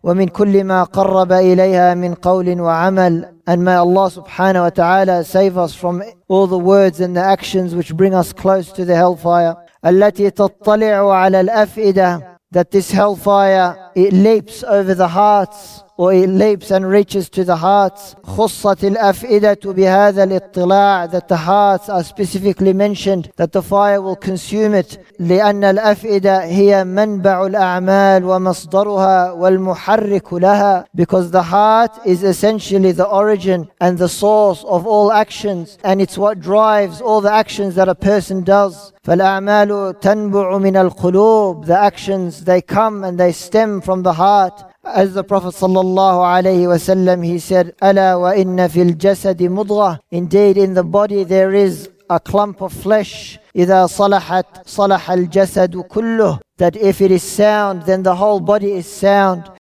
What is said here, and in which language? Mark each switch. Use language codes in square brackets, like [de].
[ar] وَمِنْ كُلِّ مَا قَرَّبَ إِلَيْهَا مِنْ قَوْلٍ وَعَمَلٍ. [en] And may Allah subhanahu wa ta'ala save us from all the words and the actions which bring us close to the hellfire. [ar] الَّتِي تَطَّلِعُ عَلَى الْأَفْئِدَةِ. [en] That this hellfire, it leaps over the hearts, or it leaps and reaches to the hearts. [ar] خصت الأفئدة بهذا الاطلاع. [en] That the hearts are specifically mentioned, that the fire will consume it. [ar] لأن الأفئدة هي منبع الأعمال ومصدرها والمحرك لها. [en] Because the heart is essentially the origin and the source of all actions, and it's what drives all the actions that a person does. [ar] فالأعمال تنبع من القلوب. [en] The actions, they come and they stem from the heart. As the Prophet sallallahu alayhi wa sallam, he said, [ar] أَلَا وَإِنَّ فِي الْجَسَدِ مُضْغَةِ. [en] Indeed, in the body there is a clump of flesh. [ar] إِذَا صَلَحَتْ صَلَحَ الْجَسَدُ كُلُّهُ. That if it is sound, then the whole body is sound.